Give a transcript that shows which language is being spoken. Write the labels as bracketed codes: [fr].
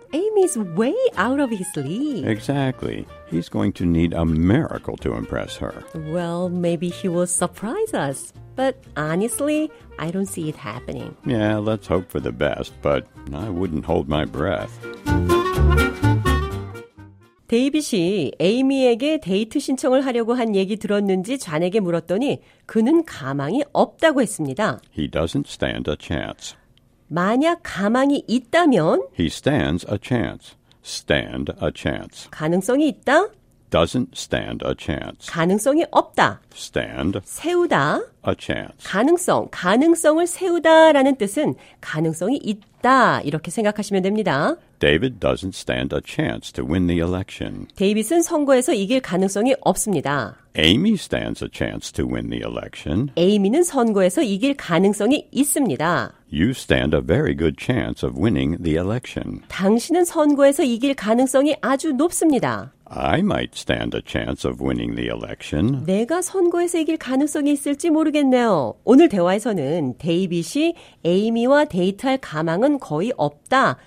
[en] Amy's way out of his league. Exactly. He's going to need a miracle to impress her. Well, maybe he will surprise us. But honestly, I don't see it happening. Yeah, let's hope for the best, but I wouldn't hold my breath. [ko] 데이빗이 에이미에게 데이트 신청을 하려고 한 얘기 들었는지 잔에게 물었더니 그는 가망이 없다고 했습니다. [en] He doesn't stand a chance. [ko] 만약 가망이 있다면 [en] He stands a chance. Stand a chance. [ko] 가능성이 있다. [en] Doesn't stand a chance. [ko] 가능성이 없다. [en] Stand. [ko] 세우다. [en] A chance. [ko] 가능성, 가능성을 세우다라는 뜻은 가능성이 있다 이렇게 생각하시면 됩니다. [en] David doesn't stand a chance to win the election. [ko] 데이빗은 선거에서 이길 가능성이 없습니다. [en] Amy stands a chance to win the election. [ko] 에이미는 선거에서 이길 가능성이 있습니다. [en] You stand a very good chance of winning the election. [ko] 당신은 선거에서 이길 가능성이 아주 높습니다. [en] I might stand a chance of winning the election. [ko] 내가 선거에서 이길 가능성이 있을지 모르겠네요. 오늘 대화에서는 데이빗이 에이미와 데이트할 가망은 거의 없다.